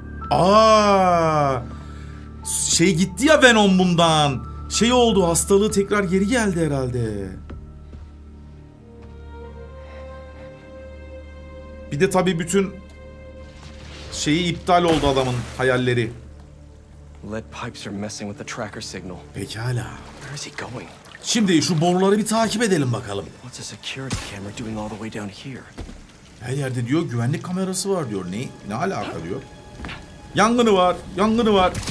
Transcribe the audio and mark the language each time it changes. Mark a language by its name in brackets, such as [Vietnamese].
[Turkish] Aa, şey gitti ya Venom bundan. Şey oldu, hastalığı tekrar geri geldi herhalde. Bir de tabii bütün şeyi iptal oldu adamın hayalleri. [English] Lead pipes are messing with the tracker signal. [Turkish] Pekala. [English] Where is he going? [Turkish] Şimdi şu boruları bir takip edelim bakalım. [English] What's a security camera doing all the way down here? [Turkish] Her yerde diyor güvenlik kamerası var diyor. Ne? Ne alaka diyor? Yangını var, yangını var.